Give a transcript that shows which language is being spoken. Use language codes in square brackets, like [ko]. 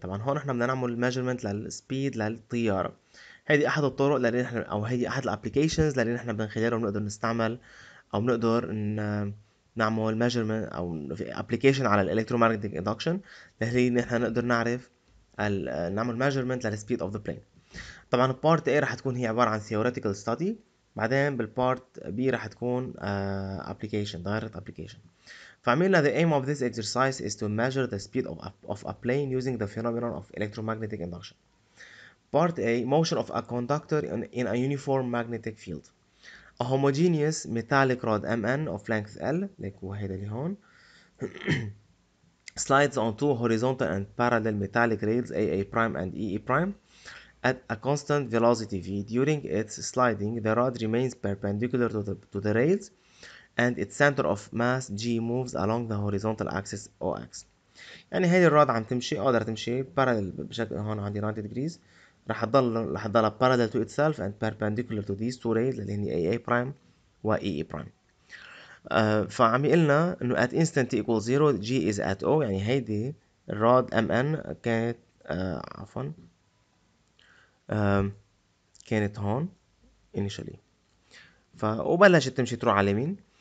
[ar] طبعا هون احنا بدنا نعمل measurement للسبيد للطيارة. هذه احد الطرق اللي احنا، او هذه احد الابلكيشنز اللي احنا بنخليها بنقدر نستعمل، او بنقدر نعمل ميجرمنت او ابلكيشن على الالكترومغنتيك اندكشن، اللي ان احنا نقدر نعرف نعمل ميجرمنت للسبيد اوف ذا بلين. طبعا البارت A راح تكون هي عباره عن ثيوريتيكال ستادي، بعدين بالبارت B راح تكون ابلكيشن، دايركت ابلكيشن. [en] فعملنا the aim of this exercise is to measure the speed of a plane using the phenomenon of electromagnetic induction. Part A, motion of a conductor in a uniform magnetic field. A homogeneous metallic rod MN of length L, like [ar] وهيدا اللي هون, [en] slides on two horizontal and parallel metallic rails AA prime and EE prime at a constant velocity V. During its sliding, the rod remains perpendicular to the rails and its center of mass G moves along the horizontal axis OX. [ar] يعني هذه الرود عم تمشي، قادرة تمشي parallel بشكل هون عندي 90 degrees. رح تضل [en] parallel to itself and perpendicular to these two rails [ar] اللي هني [en] AA prime و EE prime. [ar] فعم يقلنا انه [en] at instant t equals 0 G is at O، [ar] يعني هيدي الراد MN كانت عفوا كانت هون initially، وبلشت تمشي تروح على اليمين.